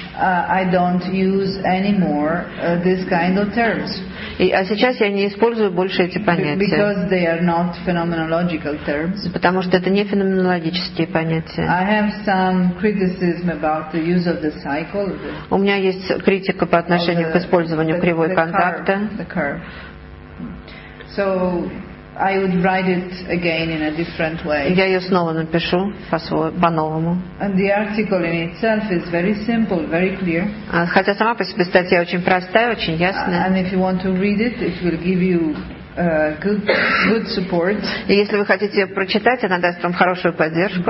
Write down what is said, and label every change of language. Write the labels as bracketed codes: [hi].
[en] I don't use anymore this kind of terms. [ru] А сейчас я не использую больше эти понятия, [en] because they are not phenomenological terms. [ru] Потому что это не феноменологические понятия. [en] I have some criticism about the use of the cycle. [ru] У меня есть критика по отношению к использованию кривой контакта. [en] The curve. So I would write it again in a different way. [ru] Я ее снова напишу по-новому. [en] And the article in itself is very simple, very clear. [ru] Хотя сама по себе статья очень простая, очень ясная. [en] And if you want to read it, it will give you good support. [ru] И если вы хотите ее прочитать, она даст вам хорошую поддержку.